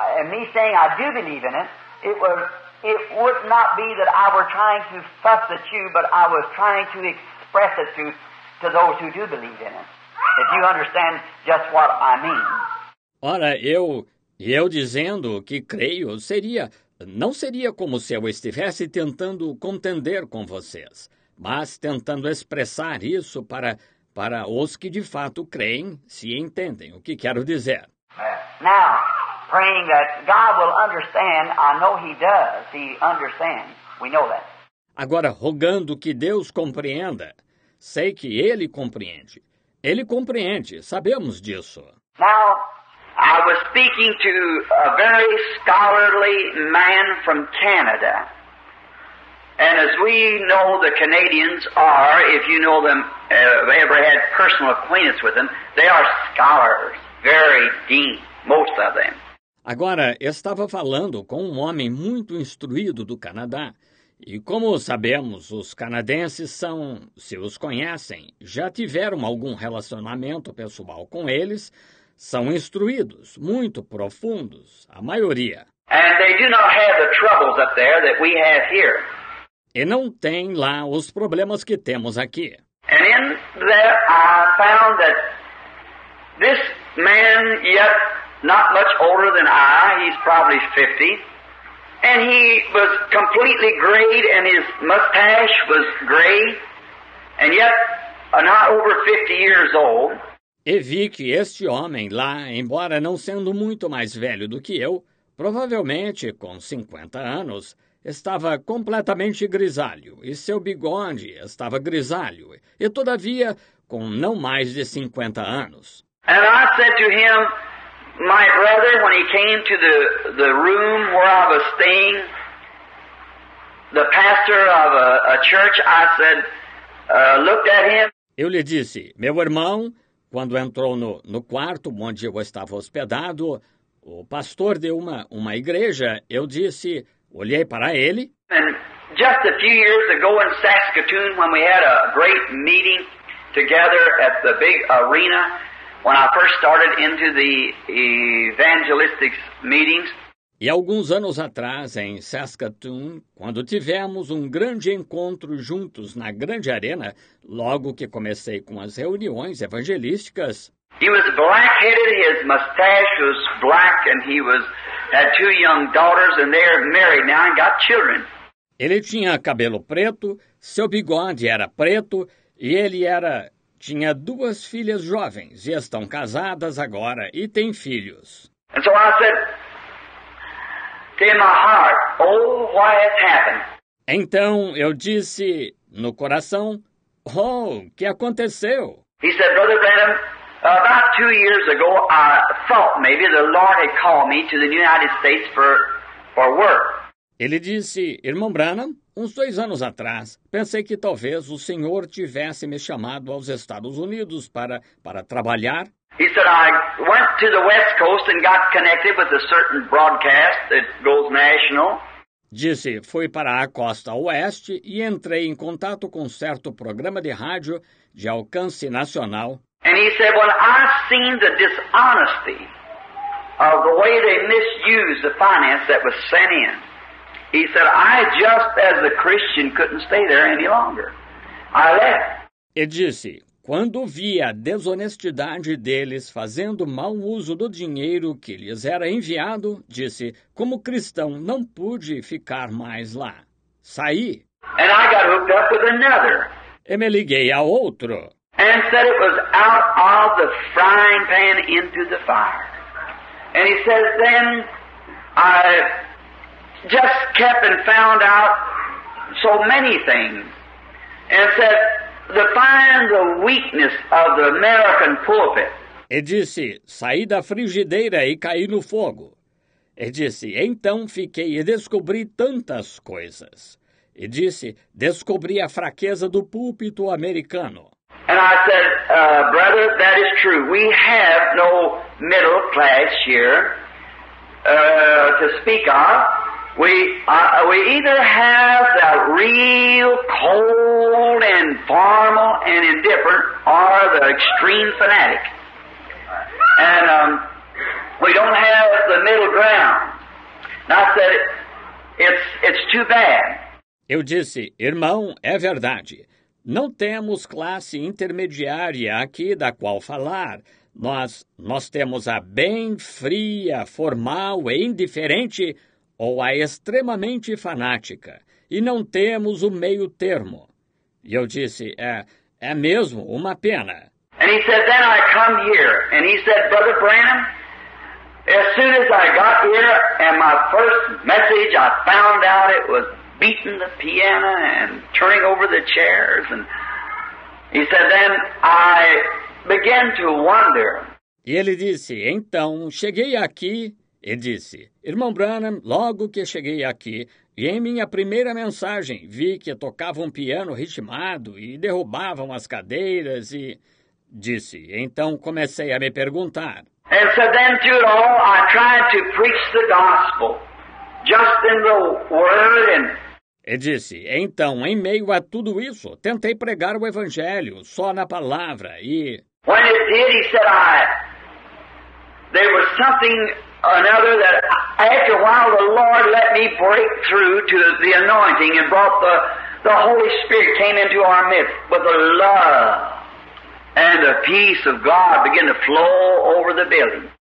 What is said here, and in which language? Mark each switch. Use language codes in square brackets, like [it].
[en] Me saying I do believe in it, it would not be that I were trying to fuss at you, but I was trying to express it to those who do believe in it. If you understand just what I mean. [pt] Ora, eu dizendo que creio não seria como se eu estivesse tentando contender com vocês, mas tentando expressar isso para os que de fato creem, se entendem o que quero dizer. [en] Now, praying that God will understand, I know he does, he understands, we know that. [pt] Agora, rogando que Deus compreenda, sei que ele compreende. Ele compreende, sabemos disso. [en] Now, I was speaking to a very scholarly man from Canada. And as we know, the Canadians are, if you know them, ever had personal acquaintance with them, they are scholars, very deep, most of them. [pt] Agora, estava falando com um homem muito instruído do Canadá. E como sabemos, os canadenses são, se os conhecem, já tiveram algum relacionamento pessoal com eles, são instruídos, muito profundos, a maioria. [en] And they do not have the troubles up there that we have here. [pt] E não tem lá os problemas que temos aqui. [en] And in there I found that this man, yet not much older than I, he's probably 50, and he was completely gray, and his mustache was gray, and yet not over 50 years old. [pt] E vi que este homem lá, embora não sendo muito mais velho do que eu, provavelmente com 50 anos, estava completamente grisalho, e seu bigode estava grisalho, e todavia com não mais de 50 anos. [en] And I said to him, my brother, when he came to the room where I was staying, the pastor of a church, I said, looked at him. [pt] Eu lhe disse, meu irmão, quando entrou no quarto onde eu estava hospedado, o pastor de uma igreja, eu disse, olhei para ele. [en] And just a few years ago in Saskatoon, when we had a great meeting together at the big arena, when I first started into the evangelistic meetings. [pt] E alguns anos atrás, em Saskatoon, quando tivemos um grande encontro juntos na grande arena, logo que comecei com as reuniões evangelísticas. [en] He was black-headed, his mustache was black, and he had two young daughters, and they're married now and got children. [pt] Ele tinha cabelo preto, seu bigode era preto e ele era... tinha duas filhas jovens e estão casadas agora e têm filhos. [en] And so I said, in my heart, oh, why it happened. [pt] Então eu disse no coração, oh, que aconteceu? [en] He said, Brother Branham, about 2 years ago, I thought maybe the Lord had called me to the United States for work. [pt] Ele disse, irmão Branham, uns 2 anos atrás, pensei que talvez o senhor tivesse me chamado aos Estados Unidos para trabalhar. [en] He said, I went to the West Coast and got connected with a certain broadcast that goes national. [pt] Disse, fui para a costa oeste e entrei em contato com certo programa de rádio de alcance nacional. [en] And he said, well, I've seen the dishonesty of the way they misused the finance that was sent in. He said, I just as a Christian couldn't stay there any longer. I left. [pt] E disse, quando vi a desonestidade deles fazendo mau uso do dinheiro que lhes era enviado, disse, como cristão, não pude ficar mais lá. Saí. [en] And I got hooked up with another. [pt] E me liguei a outro. [en] And said it was out of the frying pan into the fire. And he says, then I just kept and found out so many things. And said, to find the weakness of the American pulpit. [pt] E disse, saí da frigideira e caí no fogo. E disse, então fiquei e descobri tantas coisas. E disse, descobri a fraqueza do púlpito americano. [en] And I said, brother, that is true. We have no middle class here to speak of. We either have the real cold and formal and indifferent, or the extreme fanatic. And we don't have the middle ground. And I said, it's too bad. [pt] Eu disse, irmão, é verdade. Não temos classe intermediária aqui da qual falar. Nós temos a bem fria, formal e indiferente, ou a extremamente fanática, e não temos o meio termo. E eu disse, é mesmo uma pena. [en] And he said, then I come here. And he said, Brother Branham, as soon as I got here, and my first message, I found out it was beating the piano and turning over the chairs. And he said, then I began to wonder. [pt] E ele disse, então, cheguei aqui. E disse, irmão Branham, logo que cheguei aqui, e em minha primeira mensagem, vi que tocava um piano ritmado e derrubavam as cadeiras e... Disse, então comecei a me perguntar. [en] And so then through it all, I tried to preach the gospel, just in the word and... [pt] E disse, então, em meio a tudo isso, tentei pregar o evangelho, só na palavra e... [en] When it did, he said, I... There was something... Another that after a while the Lord let me break through to the anointing and brought the Holy Spirit came into our midst. But the love and the peace of God began to flow over the building.